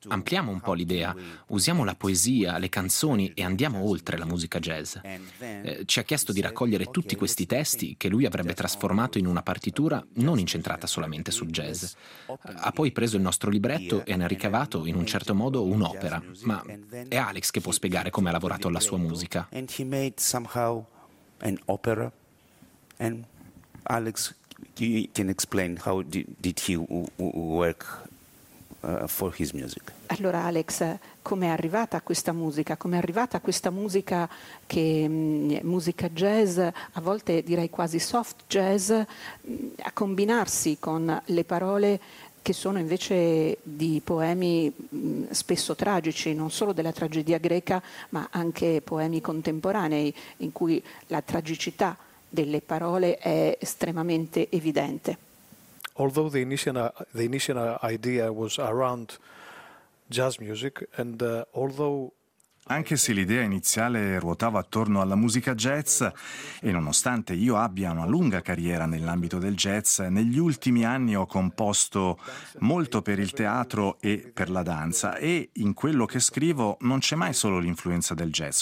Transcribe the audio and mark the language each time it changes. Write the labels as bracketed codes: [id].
[it] Ampliamo un po' l'idea, usiamo la poesia, le canzoni e andiamo oltre la musica jazz». Ci ha chiesto di raccogliere tutti questi testi che lui avrebbe trasformato in una partitura non incentrata solamente sul jazz. Ha poi preso il nostro libretto e ne ha ricavato, in un certo modo, un'opera. Ma è Alex che può spiegare come ha lavorato alla sua musica. [en] He made somehow an opera, and Alex, you can explain how did he work for his music. [it] Allora Alex, come è arrivata a questa musica? Come è arrivata a questa musica che musica jazz, a volte direi quasi soft jazz, a combinarsi con le parole che sono invece di poemi spesso tragici, non solo della tragedia greca, ma anche poemi contemporanei in cui la tragicità delle parole è estremamente evidente. [en] Although the initial idea was around jazz music and although [it] anche se l'idea iniziale ruotava attorno alla musica jazz, e nonostante io abbia una lunga carriera nell'ambito del jazz, negli ultimi anni ho composto molto per il teatro e per la danza, e in quello che scrivo non c'è mai solo l'influenza del jazz.